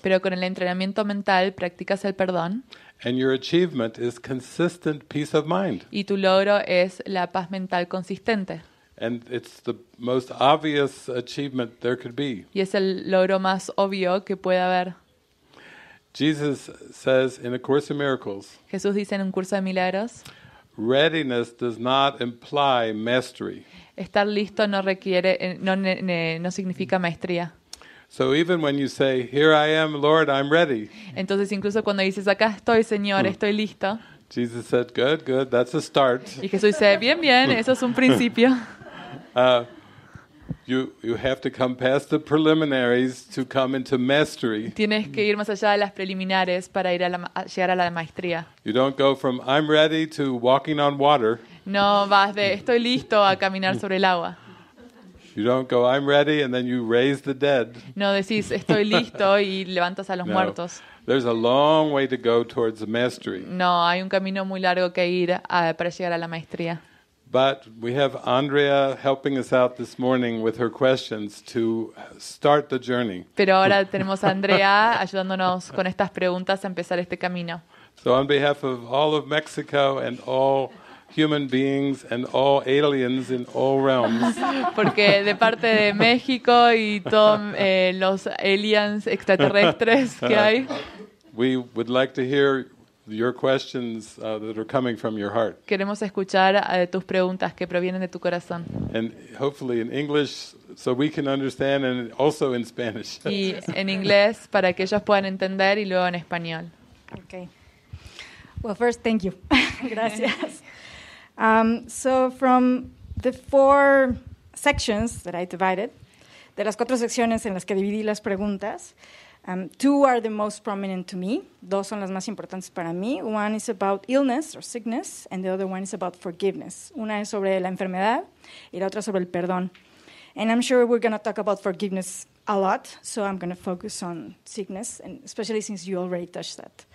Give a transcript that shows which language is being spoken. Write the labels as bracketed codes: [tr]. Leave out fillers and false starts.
[es] Pero con el entrenamiento mental practicas el perdón. [en] And your achievement is consistent peace of mind. [es] Y tu logro es la paz mental consistente. [en] And it's the most obvious achievement there could be. [es] Y es el logro más obvio que puede haber. [en] Jesus says in A Course in Miracles. [es] Jesús dice en un curso de milagros. [en] Readiness does not imply mastery. [es] Estar listo no requiere, no significa maestría. [en] So even when you say, "Here I am, Lord, I'm ready." [es] Entonces incluso cuando dices, "Acá estoy, Señor, estoy listo." [en] Jesus said, "Good, good, that's a start." [es] Y Jesús dice, "Bien, bien, eso es un principio." [en] You have to come past the preliminaries to come into mastery. [es] Tienes que ir más allá de las preliminares para ir a llegar a la maestría. [en] You don't go from "I'm ready" to walking on water. [es] No vas de "estoy listo" a caminar sobre el agua. [en] You don't go "I'm ready" and then you raise the dead. [es] No decís "estoy listo" y levantas a los muertos. [en] There's a long way to go towards the mastery. [es] No, hay un camino muy largo que ir para llegar a la maestría. [en] But we have Andrea helping us out this morning with her questions to start the journey. [es] Pero ahora tenemos a Andrea ayudándonos con estas preguntas a empezar este camino. [en] So on behalf of all of Mexico and all human beings and all aliens in all realms. [es] Porque de parte de México y todos los aliens extraterrestres que hay. [en] We would like to hear your questions that are coming from your heart. [es] Queremos escuchar tus preguntas que provienen de tu corazón. [en] And hopefully in English so we can understand and also in Spanish. [es] Y en inglés para que ellos puedan entender y luego en español. [en] Okay. Well, first thank you. [es] Gracias. [en] So from the four sections that I divided, [es] de las cuatro secciones en las que dividí las preguntas, [en] two are the most prominent to me. [es] Dos son las más importantes para mí. [en] One is about illness or sickness, and the other one is about forgiveness. [es] Una es sobre la enfermedad y la otra sobre el perdón. [en] And I'm sure we're going to talk about forgiveness a lot, so I'm going to focus on sickness, and especially since you already touched that.